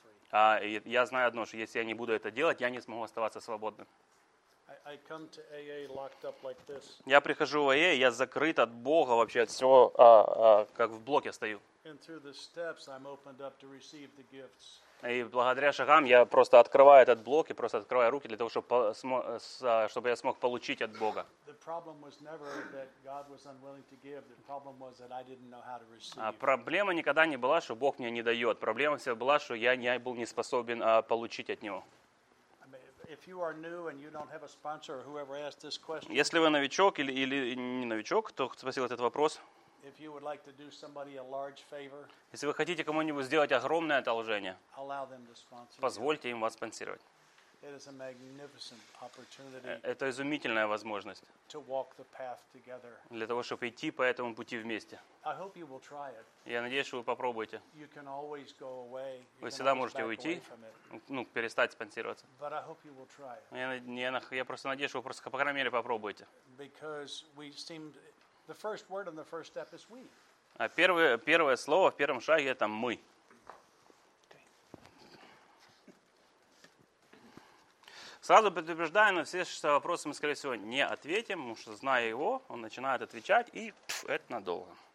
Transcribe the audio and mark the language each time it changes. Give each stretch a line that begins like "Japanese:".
Russian: А я знаю одно, что если я не буду это делать, я не смогу оставаться свободным.
English: I come to AA locked up like this.
Russian: Я прихожу в АА, я закрыт от Бога вообще, от всего, как в блоке стою.
English: And through the steps I'm opened up to receive the gifts.
Russian: И благодаря шагам я просто открываю этот блок и просто открываю руки для того, чтобы я смог получить от Бога.
English: The problem was never that God was unwilling to give. The problem was that I didn't know how to receive.
Russian: А проблема никогда не была, что Бог мне не дает. Проблема всегда была, что я был не способен получить от Него.
English: If you are new and you don't have a sponsor or whoever asked this question.
Russian: Если вы новичок или не новичок, кто спросил этот вопрос?
English: If you would like to do somebody a large favor.
Russian: Если вы хотите кому-нибудь сделать огромное одолжение.
English: Allow them to sponsor.
Russian: Позвольте им вас спонсировать.
English: It is a magnificent opportunity.
Russian: Это изумительная возможность.
English: To walk the path together.
Russian: Для того, чтобы идти по этому пути вместе.
English: I hope you will try it.
Russian: Я надеюсь, что вы попробуете.
English: You can always go away.
Russian: Вы всегда можете уйти, ну, перестать спонсироваться.
English: But I hope you will try it.
Russian: Я просто надеюсь, что вы просто по крайней мере попробуете.
English: Because we seem the first word on the first step is we.
Russian: А первое слово в первом шаге это мы. Сразу предупреждаю на все вопросы, мы, скорее всего, не ответим, потому что, зная его, он начинает отвечать, и это надолго.